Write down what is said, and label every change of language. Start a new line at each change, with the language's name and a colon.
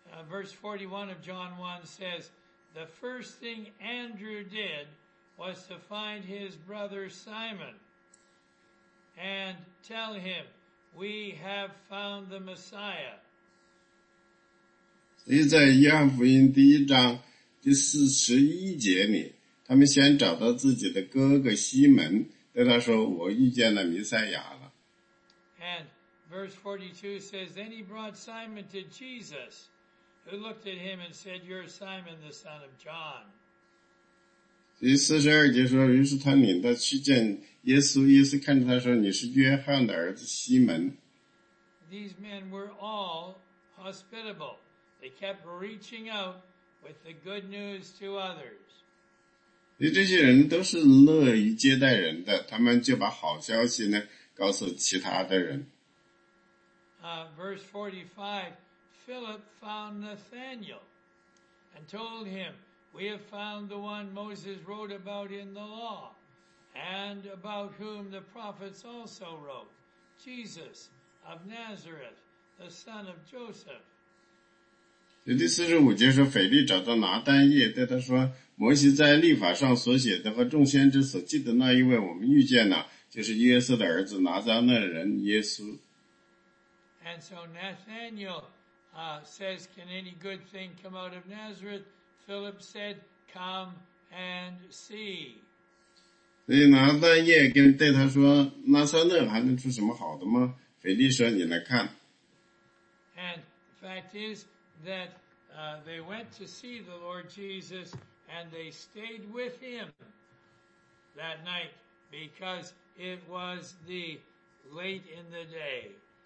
English: Verse 41 of John 1 says, the first thing Andrew did was to find his brother Simon and tell him, we have found the Messiah.
Chinese: 所以在约翰福音第一章第四十一节里，他们先找到自己的哥哥西门，对他说，我遇见了弥赛亚了。
English: And verse 42 says, then he brought Simon to Jesus, who looked at him and said, you're Simon, the son of John.
Chinese: 第四十二节说，于是他领他去见耶稣，耶稣看着他说，你是约翰的儿子西门。
English: These men were all hospitable. They kept reaching out with the good news to others.
Chinese: 这些人都是乐于接待人的，他们就把好消息呢告诉其他的人。
English: Verse 45, Philip found Nathanael and told him, we have found the one Moses wrote about in the law and about whom the prophets also wrote, Jesus of Nazareth, the son of Joseph.
Chinese: 第四十五节说，腓力找到拿单叶，对他说：“摩西在律法上所写的和众先知所记的那一位，我们遇见了，就是约瑟的儿子拿撒勒人耶稣。”
English: And so Nathanael says, "Can any good thing come out of Nazareth?" Philip said, "Come and see."
Chinese: 所以拿单叶跟对他说：“拿撒勒还能出什么好的吗？” 腓力说：“你来看。”
English: And fact is. That they went to see the Lord Jesus and they stayed with him that night because it was the late in the day.